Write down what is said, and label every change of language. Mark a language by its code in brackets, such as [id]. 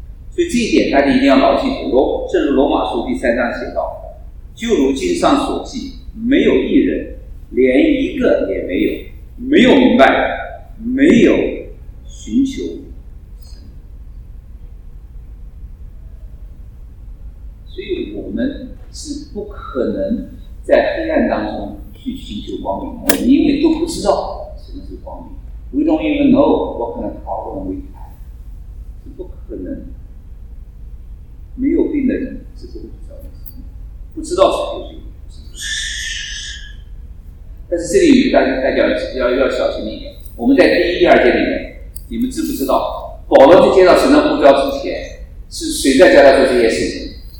[zh] 所以这一点大家一定要牢记住，正如罗马书第三章写道，就如经上所记，没有一人，连一个也没有，没有明白，没有寻求神。所以我们是不可能在黑暗当中去寻求光明，我们因为都不知道什么是光明。 [en] We don't even know what kind of problem we have。 [zh] 是不可能，没有病的人是不会知道的，不知道是不是有病。但是这里大家要小心一点。我们在第一、第二节里面，你们知不知道，保罗去接到神的呼召之前，是谁在教他做这些事情？